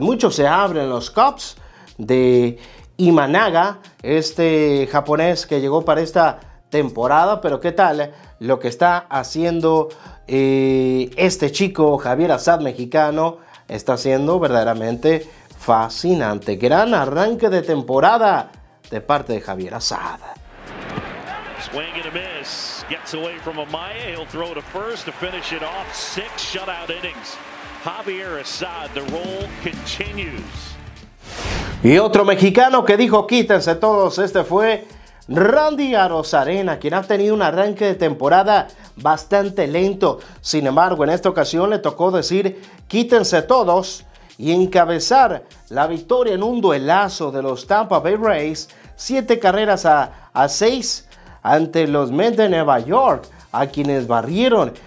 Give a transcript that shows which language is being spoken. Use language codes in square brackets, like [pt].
[es] Mucho se abre en los Cubs de Imanaga, este japonés que llegó para esta temporada, pero qué tal lo que está haciendo este chico Javier Azad, mexicano. Está siendo verdaderamente fascinante, gran arranque de temporada de parte de Javier Azad. [en] Swing and a miss, gets away from Amaya, he'll throw to first to finish it off, 6 shutout innings. Javier Azad, the roll continues. [es] Y otro mexicano que dijo quítense todos, este fue Randy Arozarena, quien ha tenido un arranque de temporada bastante lento. Sin embargo, en esta ocasión le tocó decir quítense todos y encabezar la victoria en un duelazo de los Tampa Bay Rays, 7-6 ante los Mets de Nueva York, a quienes barrieron.